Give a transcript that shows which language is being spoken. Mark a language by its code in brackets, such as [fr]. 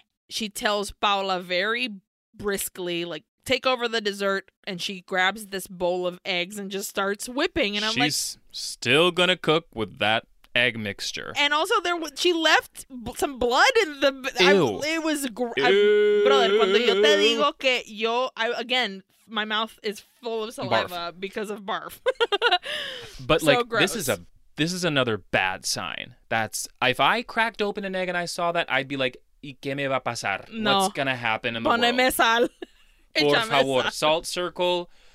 [en] She tells Paola very briskly, like, take over the dessert, and she grabs this bowl of eggs and just starts whipping. And I'm she's like, still gonna cook with that egg mixture. And also, there she left some blood in the... Ew. It was... [es] Brother, cuando yo te digo que yo... [en] Again, my mouth is full of saliva barf. Because of barf. But, so like, gross. This is another bad sign. That's... If I cracked open an egg and I saw that, I'd be like, [es] ¿y qué me va a pasar? [en] No. What's going to happen in the [es] Poneme Poneme sal. Por favor, [en] salt circle...